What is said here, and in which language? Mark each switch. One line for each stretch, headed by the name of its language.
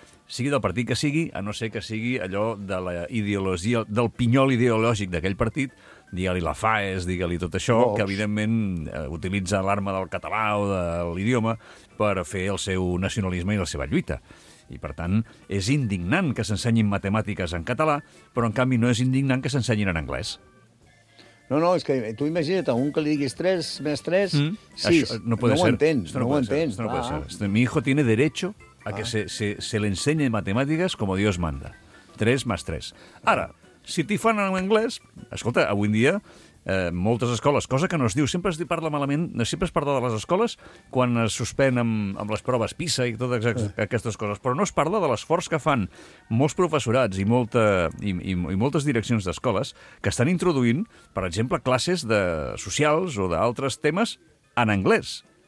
Catalan: Sigui del partit que sigui, a no ser que sigui allò de la ideologia, del pinyol ideològic d'aquell partit, digue-li la FAES, digue-li tot això, que evidentment utilitza l'arma del català o de l'idioma per fer el seu nacionalisme i la seva lluita. I, per tant, és indignant que s'ensenyin matemàtiques en català, però, en canvi, no és indignant que s'ensenyin en anglès. No, és que tu imagina't, un que li diguis 3 més 3, 6. No ho entén, no ho entén.
Spanish: Esto no puede ser. Esto, mi hijo tiene derecho a que se le enseñe matemáticas como Dios manda. 3 más 3.
Catalan: Ara, si t'hi fan en anglès, escolta, avui en dia, moltes escoles, cosa que no es diu, sempre es parla malament, sempre es parla de les escoles quan es suspèn amb les proves PISA i totes aquestes coses, però no es parla de l'esforç que fan molts professorats i moltes direccions d'escoles que estan introduint, per exemple, classes de socials o d'altres temes en anglès.